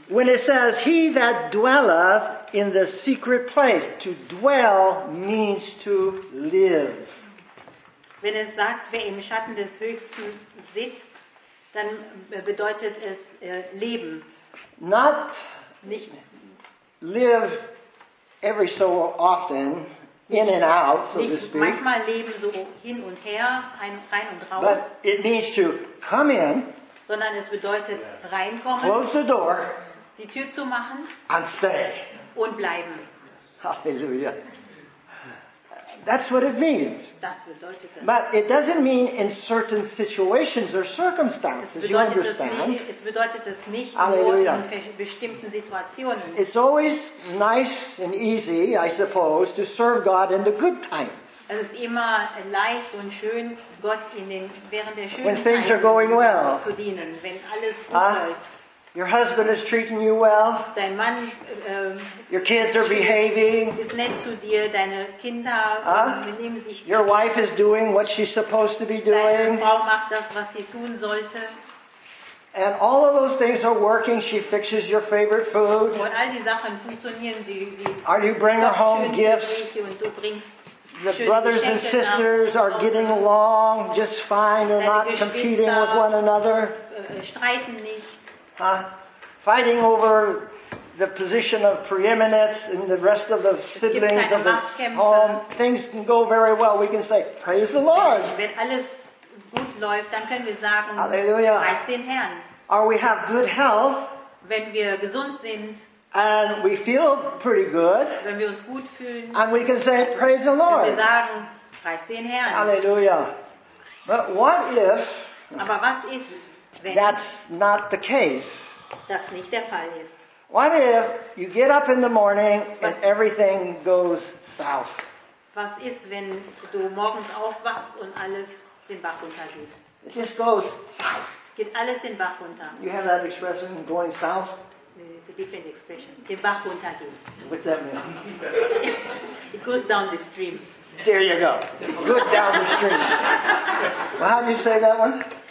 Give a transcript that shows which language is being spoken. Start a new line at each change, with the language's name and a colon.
English: When it says, he that dwelleth in the secret place, to dwell means to live.
German: Wenn es sagt, wer im Schatten des Höchsten sitzt, dann bedeutet es leben.
English: Not live every so often in and out, so to speak.
German: Manchmal leben so hin und her, rein und raus.
English: But it means to come in.
German: Sondern es bedeutet reinkommen.
English: Close the door.
German: Die Tür zu machen.
English: And stay.
German: Und bleiben.
English: Hallelujah. That's what it means.
German: Das bedeutet das.
English: But it doesn't mean in certain situations or circumstances, you understand.
German: Es bedeutet das nicht Halleluja. Nur in bestimmten Situationen.
English: It's always nice and easy, I suppose, to serve God in the good times.
German: Es ist immer leicht und schön, Gott während der schönen
English: when
German: Zeit
English: things are going well.
German: Zu dienen, wenn alles gut läuft.
English: Your husband is treating you well.
German: Dein Mann,
English: your kids are behaving.
German: Ist nett zu dir. Deine Kinder benehmen sich
English: your gut. Wife is doing what she's supposed to be doing.
German: Deine Frau macht das, was sie tun sollte.
English: And all of those things are working. She fixes your favorite food.
German: Und all die Sachen funktionieren. Sie
English: are you bringing her home gifts?
German: Und du bringst
English: The brothers and sisters are getting along just fine. They're not competing with one another.
German: Streiten nicht.
English: Fighting over the position of preeminence and the rest of the siblings of the home. Things can go very well. We can say, praise the Lord.
German: Wenn alles gut läuft, dann können wir sagen, Halleluja. Preist den Herrn.
English: Or we have good health.
German: Wenn wir gesund sind.
English: And we feel pretty good.
German: Wenn wir uns gut fühlen,
English: and we can say, praise the Lord.
German: Wir sagen, preist den Herrn.
English: Halleluja. But what if
German: aber was ist, wenn
English: that's not the case?
German: Das nicht der Fall ist.
English: What if you get up in the morning and everything goes south?
German: Was ist, wenn du morgens aufwachst und alles den Bach runtergeht?
English: It just goes south.
German: Geht alles den Bach runter.
English: You have that expression, going south? It's a different expression.
German: Den Bach runtergeht.
English: What's that mean? It goes down the stream. There you go. Good down the stream. Well, how do you say that one?